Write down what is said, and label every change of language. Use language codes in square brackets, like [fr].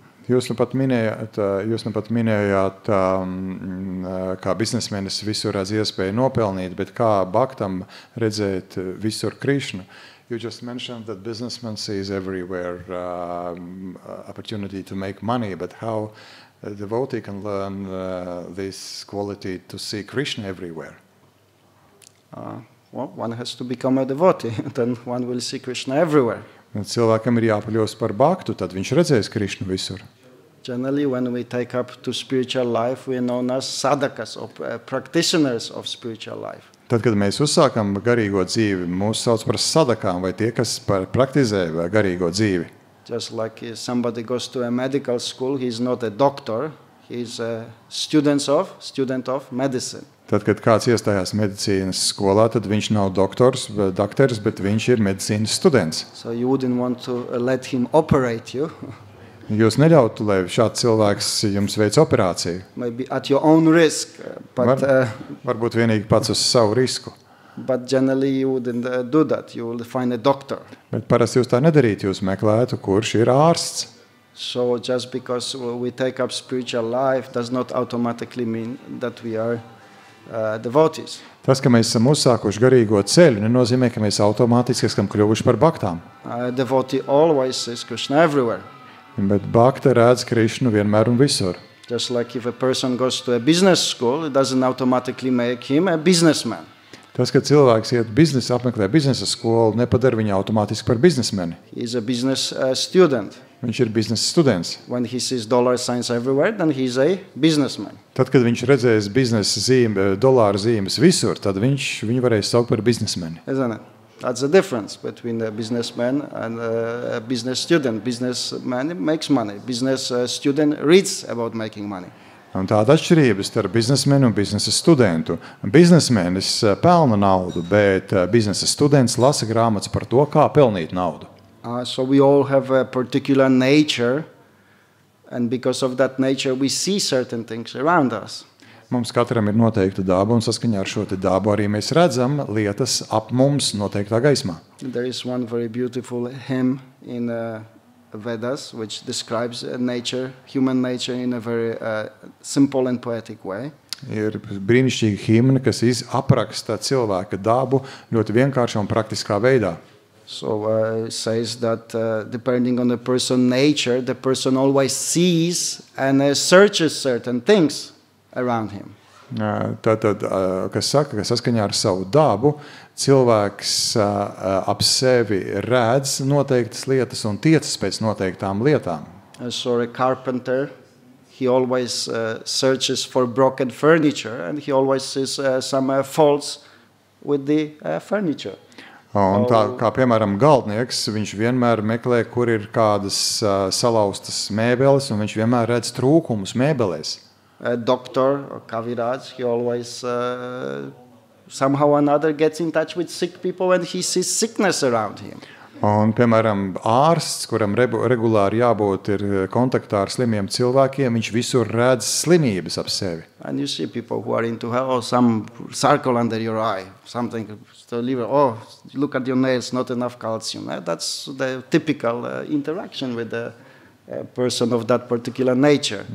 [lv] Jūs nepat minējāt, kā biznesmenis visur redz iespēju nopelnīt, bet kā baktam redzēt visur Krišnu? [en] You just mentioned that businessmen sees everywhere opportunity to make money, but how a devotee can learn this quality to see Krishna everywhere? Well, one has to become a devotee, then one will see Krishna everywhere. [lv] Cilvēkam ir jāpaļos par baktu, tad viņš redzēs Krišnu visur. [en] Generally, when we take up to spiritual life, we are known as sadhakas, or practitioners of spiritual life. [lv] Tad, kad mēs uzsākam garīgo dzīvi, mūs sauc par sadakām, vai tie, kas praktizē garīgo dzīvi. [en] Just like somebody goes to a medical school, he is not a doctor, he is a student of medicine. [lv] Tad, kad kāds iestājās medicīnas skolā, tad viņš nav doktors, bet viņš ir medicīnas students. [en] So you wouldn't want to let him operate you. [lv] Jūs neļautu, lai šāds cilvēks jums veic operāciju. [en] Maybe at your own risk, but [lv] varbūt vienīgi pats uz savu risku. [en] But generally you wouldn't do that. You would find a doctor. [lv] Bet parasti jūs tā nedarītu, jūs meklētu, kurš ir ārsts. [en] So just because we take up spiritual life does not automatically mean that we are devotees. [lv] Tas, ka mēs esam uzsākuši garīgo ceļu, nenozīmē, ka mēs automātiski esam kļuvuši par baktām. [en] Devotee always sees Krishna everywhere. [lv] Bet bakta redz Krišnu vienmēr un visur. [en] Just like if a person goes to a business school, it doesn't automatically make him a businessman. [lv] Tas, ka cilvēks iet biznesa apmeklē biznesa skolu, nepadara viņu automātiski par biznesmeni. [en] He is a business student. [lv] Viņš ir biznesa students. [en] When he sees dollar signs everywhere, then he is a businessman. [lv] Tad, kad viņš redzēs biznesa dolāru zīmes visur, tad viņu varēs saukt par biznesmeni. [en] Isn't it? That's the difference between a businessman and a business student. Businessman makes money. Business student reads about making money. [lv] Un tāda atšķirība starp biznesmenu un biznesa studentu. Biznesmenis pelna naudu, bet biznesa students lasa grāmatas par to, kā pelnīt naudu. [en] So we all have a particular nature And because of that nature, we see certain things around us. [lv] Mums katram ir noteikta daba, un saskaņā ar šo te dabu arī mēs redzam lietas ap mums noteiktā gaismā. [en] There is one very beautiful hymn in Vedas, which describes nature, human nature, in a very simple and poetic way. [lv] Ir brīnišķīga himna, kas apraksta cilvēka dabu ļoti vienkārši un praktiskā veidā. [en] So says that depending on the person's nature, the person always sees and searches certain things around him. [lv] Kas saka, ka saskaņā ar savu dabu, cilvēks ap sevi redz noteiktas lietas un tiecas pēc noteiktām lietām. [en] So a carpenter, he always searches for broken furniture and he always sees some faults with the furniture. [lv] Un tā, kā piemēram galtnieks, viņš vienmēr meklē, kur ir kādas salaustas mēbeles, un viņš vienmēr redz trūkumus mēbelēs. [en] Doktor Kaviraj, he always somehow another gets in touch with sick people and he sees sickness around him. [lv] Un piemēram ārsts, kuram regulāri jābūt ir kontaktā ar slimiem cilvēkiem, viņš visur redz slimības ap sevi. [en] And you see people who are into hell, some circle under your eye, something the liver, oh, look at your nails, not enough calcium. That's the typical interaction with the person of that particular nature.